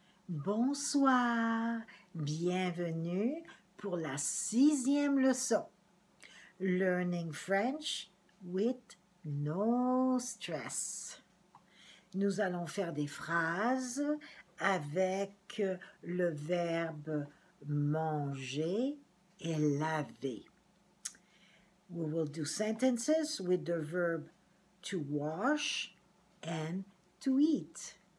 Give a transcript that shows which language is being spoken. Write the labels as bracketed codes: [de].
[fr] Bonsoir, bienvenue pour la sixième leçon. [en] Learning French with no stress. [fr] Nous allons faire des phrases avec le verbe manger et laver. [en] We will do sentences with the verb to wash and to eat.